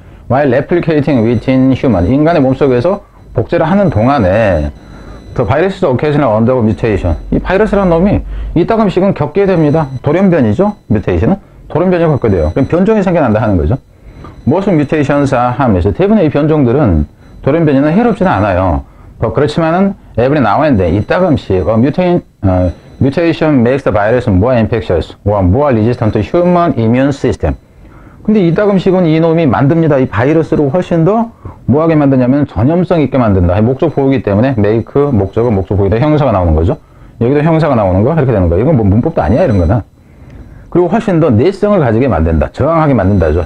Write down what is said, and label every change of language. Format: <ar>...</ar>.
<en>while replicating within human,</en> <ko>인간의 몸속에서 복제를 하는 동안에</ko> <en>the virus is occasionally undergo mutation.</en> <ko>이 바이러스라는 놈이 이따금씩은 겪게 됩니다. 돌연변이죠. 뮤테이션은 돌연변이 겪게 돼요. 그럼 변종이 생겨난다 하는 거죠. 무슨 뮤테이션사 하면서 대부분의 이 변종들은 돌연변이는 해롭진 않아요. 그렇지만은</ko> <en>every now and then</en> <ko>이따금씩</ko> <en>mutation makes the virus more infectious or more resistant to human immune system.</en> <ko>근데 이따금씩은 이놈이 만듭니다. 이 바이러스를 훨씬 더 뭐하게 만드냐면 전염성 있게 만든다. 목적 보호기 때문에 make 목적은 목적 보호기다. 형사가 나오는 거죠. 여기도 형사가 나오는 거 이렇게 되는 거. 이건 뭐 문법도 아니야 이런 거나. 그리고 훨씬 더 내성을 가지게 만든다. 저항하게 만든다죠.</ko>